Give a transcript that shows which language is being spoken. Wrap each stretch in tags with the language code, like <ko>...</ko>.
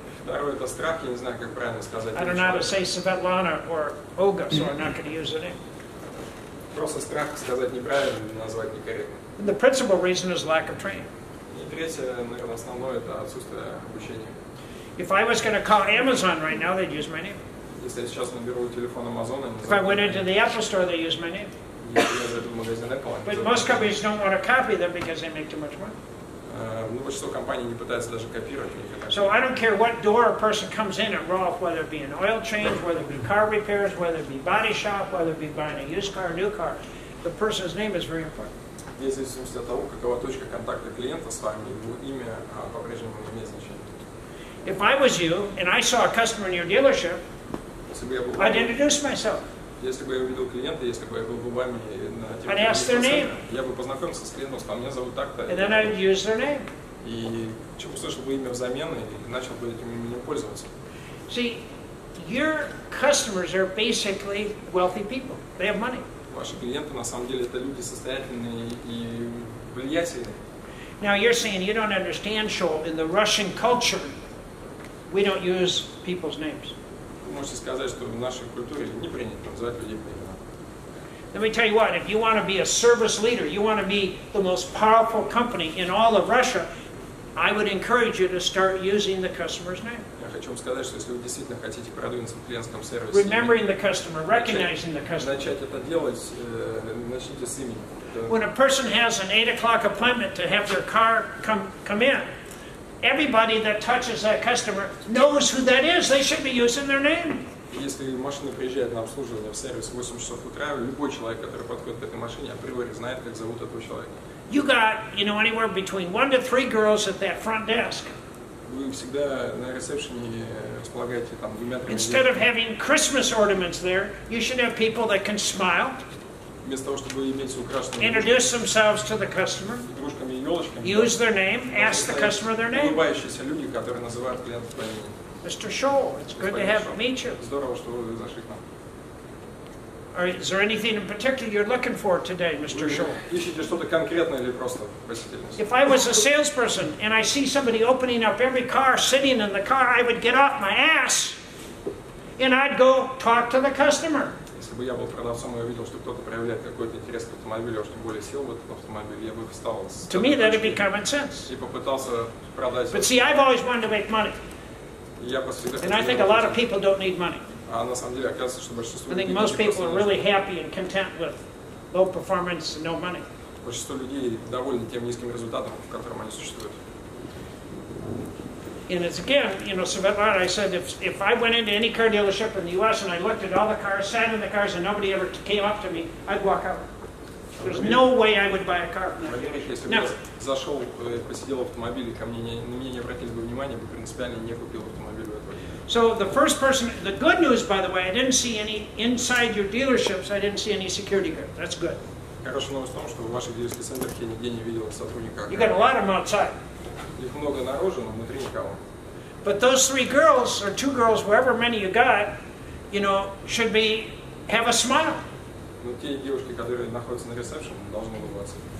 <en>I don't know how to say Svetlana or Olga, so I'm not going to use a name.</en> <ru>Просто страх сказать неправильно, назвать некорректно.</ru> <en>And the principal reason is lack of training. If I was going to call Amazon right now, they'd use my name. If I went into the Apple store, they'd use my name. But most companies don't want to copy them because they make too much money. So I don't care what door a person comes in at Rolf, whether it be an oil change, whether it be car repairs, whether it be body shop, whether it be buying a used car or new car, the person's name is very important.</en> <ru>Вне зависимости от того, какова точка контакта клиента с вами, его имя по-прежнему не имеет значения.</ru> <en>If I was you and I saw a customer in your dealership, I'd introduce myself.</en> <ru>Если бы я увидел клиента, если бы я был бы вами на</ru> <en>I'd ask their name.</en> <ru>Я бы познакомился с клиентом, сказал, меня зовут так-то.</ru> <en>And then I'd use their name.</en> <ru>И услышал бы имя взамен и начал бы этим именем пользоваться.</ru> <en>See, your customers are basically wealthy people. They have money.</en> <ru>Ваши клиенты, на самом деле, это люди состоятельные и влиятельные.</ru> <en>Now you're saying you don't understand, Шоу, in the Russian culture, we don't use people's names.</en> <ru>Вы можете сказать, что в нашей культуре не принято называть людей по именам.</ru> <en>Let me tell you what, if you want to be a service leader, you want to be the most powerful company in all of Russia, I would encourage you to start using the customer's name.</en> <ru>Хочу вам сказать, что если вы действительно хотите продвинуться в клиентском сервисе,</ru> <en>remembering the customer, recognizing the customer.</en> <ru>Начать это делать, начните с имени.</ru> <en>When a person has an 8 o'clock appointment to have their car come in, everybody that touches that customer knows who that is. They should be using their name.</en> <ru>Если машина приезжает на обслуживание в сервис в 8 часов утра, любой человек, который подходит к этой машине, априори знает, как зовут этого человека.</ru> <en>You got, you know, anywhere between 1 to 3 girls at that front desk.</en> <ru>вы всегда на ресепшене располагаете там двумя тремя.</ru> <en>Instead of having Christmas ornaments there, you should have people that can smile.</en> <ru>Вместо того, чтобы иметь украшенные.</ru> <en>Introduce themselves to the customer.</en> <ru>Игрушками и елочками.</ru> <en>Use their name. Ask the customer their name.</en> <ru>Улыбающиеся люди, которые называют клиентов по имени.</ru> <en>Mr. Tschohl, it's good to have meet you.</en> <ru>Здорово, что вы зашли к нам.</ru> <en>Or is there anything in particular you're looking for today, Mr. Tschohl?</en> <ru>Ищете что-то конкретное или просто посетительность?</ru> <en>If I was a salesperson and I see somebody opening up every car, sitting in the car, I would get off my ass and I'd go talk to the customer.</en> <ru>Если бы я был продавцом и увидел, что кто-то проявляет какой-то интерес к автомобилю, а что более сел в этот автомобиль, я бы встал с.</ru> <en>To me, that'd be common sense.</en> <ru>И попытался продать.</ru> <en>But see, I've always wanted to make money.</en> <ru>Я постоянно.</ru> <en>And I think a lot of people don't need money.</en> <ru>А на самом деле, оказывается, что большинство людей.</ru> <en>I think most people are really happy and content with low performance and no money.</en> <ru>Большинство людей довольны тем низким результатом, в котором они существуют.</ru> <en>And it's again, you know, so I said if I went into any car dealership in the U.S. and I looked at all the cars, sat in the cars, and nobody ever came up to me, I'd walk out. There's no way I would buy a car.</en> <ru>Если бы зашел, посидел в автомобиле, ко мне на меня не обратили бы внимания, бы принципиально не купил автомобиль.</ru> <en>So the first person, the good news, by the way, I didn't see any inside your dealerships. I didn't see any security guard. That's good.</en> <ru>Хорошая новость в том, что в ваших дилерских центрах я нигде не видел сотрудника.</ru> <en>You got a lot of them outside.</en> <ru>Их много наружу, но внутри никого.</ru> <en>But those three girls or two girls, whatever many you got, you know, should be have a smile.</en> <ru>Ну те девушки, которые находятся на ресепшене, должны улыбаться.</ru>